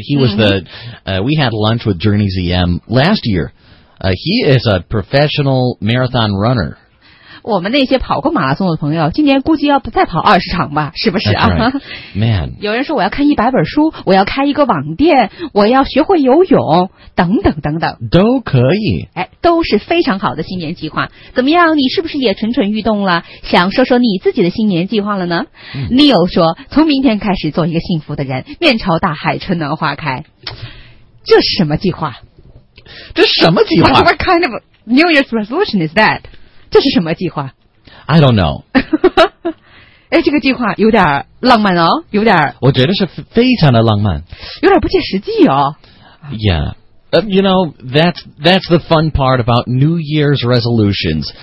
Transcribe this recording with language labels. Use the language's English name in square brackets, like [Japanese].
[English] He was we had lunch with Journey ZM last year. He is a professional marathon runner. [Chinese] 我们那些跑过马拉松的朋友今年估计要再跑20场吧是不是啊、 [English] right. Man. [Chinese] 有人说我要看100本书我要开一个网店我要学会游泳等等等等。都可以。哎都是非常好的新年计划。怎么样你是不是也蠢蠢欲动了想说说你自己的新年计划了呢、Neil 说从明天开始做一个幸福的人面朝大海春暖花开。这是什么计划这什么计划 [English] What kind of New Year's resolution is that? [Chinese] 这是什么计划 [English] ？I don't know. [Chinese] 哎，这个计划有点浪漫哦，有点。我觉得是非常的浪漫。有点不切实际哦。 [English] Yeah, you know that's the fun part about New Year's resolutions.